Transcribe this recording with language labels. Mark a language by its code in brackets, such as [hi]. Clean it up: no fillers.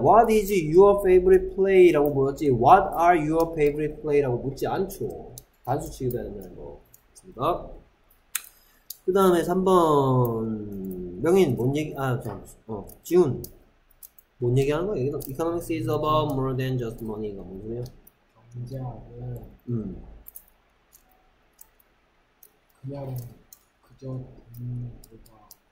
[en] What is your favorite play라고 [ko] 물었지? [en] What are your favorite play라고 [ko] 묻지 않죠. 단수 취급해야 되는 거. 그 다음에 3번 명인 뭔 얘기? 아, 잠, 어, 지훈 뭔 얘기하는 거야? [en] Economics is about more than just money가 [ko] 뭔 소리야? 경제학은 그냥 그저 돈보다